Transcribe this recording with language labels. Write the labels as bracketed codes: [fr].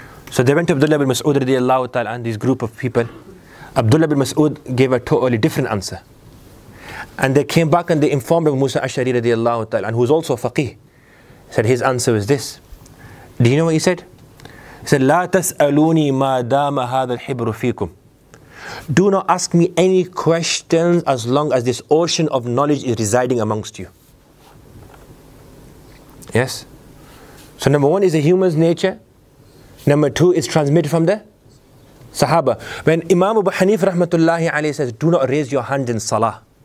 [en] So they went to Abdullah bin Mas'ud radiyallahu ta'ala an, this group of people. Abdullah bin Mas'ud gave a totally different answer. And they came back and they informed Abu Musa Ash'ari radiyallahu ta'ala an, who's also a faqih. Said his answer was this. Do you know what he said? He said, [ar] لَا تَسْأَلُونِي مَا دَامَ هَذَا الْحِبْرُ فِيكُمْ. [en] Do not ask me any questions as long as this ocean of knowledge is residing amongst you. Yes? So number one is a human's nature. Number two is transmitted from the Sahaba. When Imam Abu Hanif rahmatullahi alayhi says, do not raise your hand in salah.